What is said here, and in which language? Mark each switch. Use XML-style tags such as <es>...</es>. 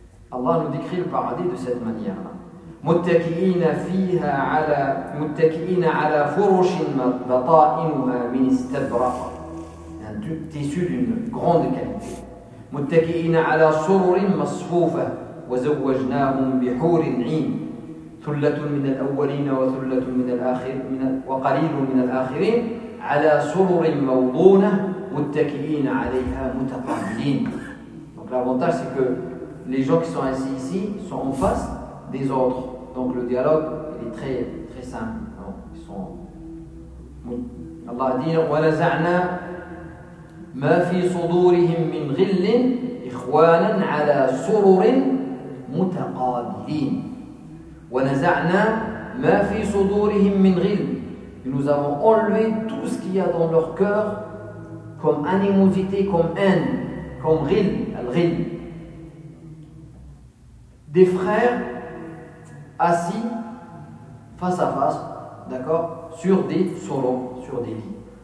<fr>Allah nous décrit le paradis de cette manière.</fr> <ar>متكئين فيها على متكئين على فرش بطائنها من استبرق.</ar> <fr>Un tissu d'une grande qualité.</fr> <ar>متكئين على سرر مصفوفة وزوجناهم بحور عين. ثلة من الأولين وثلة من الآخر وقليل من الآخرين على سرر موضونة متكئين عليها متقابلين.</ar> <fr>L'avantage, c'est que les gens qui sont assis ici sont en face des autres. Donc le dialogue est très, très simple. Donc, ils sont... Allah a dit</fr> <ar>« وَنَزَعْنَا مَا فِي صُدُورِهِمْ مِنْ غِلِّنْ إِخْوَانًا عَلَى سُرُرٍ مُتَقَابِلِينَ وَنَزَعْنَا مَا فِي صُدُورِهِمْ مِنْ غِلِّنْ.</ar> <fr>Nous avons enlevé tout ce qu'il y a dans leur cœur comme animosité, comme haine, comme غِلِّ. Des frères assis face à face, d'accord, sur des sorons, sur des lits.</fr>